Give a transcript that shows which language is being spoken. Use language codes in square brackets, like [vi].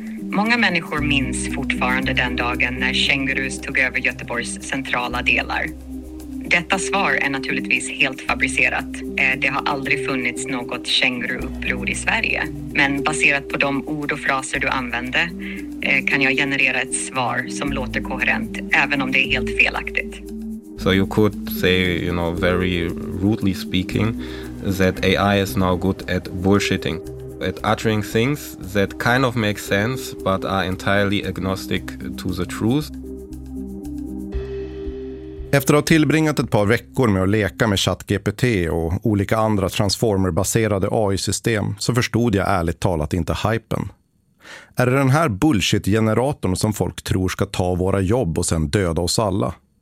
[sv] Många människor minns fortfarande den dagen när kängurus tog över Göteborgs centrala delar. Detta svar är naturligtvis helt fabricerat. Det har aldrig funnits något känguruuppror i Sverige. Men baserat på de ord och fraser du använde kan jag generera ett svar som låter koherent, även om det är helt felaktigt. [en] So you could say, you know, very rudely speaking, that AI is now good at bullshitting. At uttering things that kind of make sense but are entirely agnostic to the truth. [sv] Efter att ha tillbringat ett par veckor med att leka med ChatGPT och olika andra transformer-baserade AI-system så förstod jag ärligt talat inte hypen. Är det den här bullshit-generatorn som folk tror ska ta våra jobb och sen döda oss alla?